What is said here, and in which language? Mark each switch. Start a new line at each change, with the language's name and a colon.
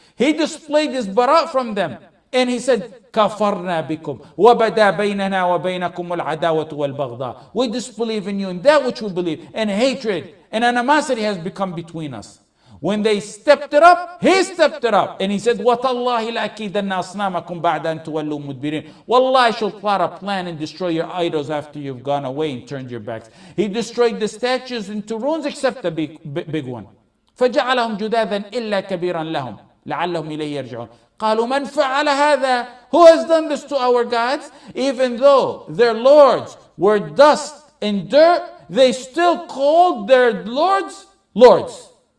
English: He displayed his bara' from them. And he said,
Arabic: كَفَرْنَا بِكُمْ وَبَدَى بَيْنَنَا وَبَيْنَكُمُ الْعَدَاوَةُ وَالْبَغْضَاءُ.
English: We disbelieve in you and that which we believe. And hatred and animosity has become between us. When they stepped it up, he stepped it up. And he said,
Arabic: وَتَاللَّهِ لَأَكِيدَنَّ أَصْنَامَكُمْ بَعْدَ أَن تُوَلُّوا مُدْبِرِينَ.
English: Wallahi, I shall plot a plan and destroy your idols after you've gone away and turned your backs. He destroyed the statues into ruins except the big one.
Arabic: فَجَعَلَهُمْ جُدَاذًا إِلَّا كَبِيرًا لَهُمْ لَعَلَّهُمْ إِلَيْهِ يَرْجِعُونَ. قَالُوا مَنْ فَعَلَ هَذَا.
English: Who has done this to our gods? Even though their lords were dust and dirt, they still called their lords, lords.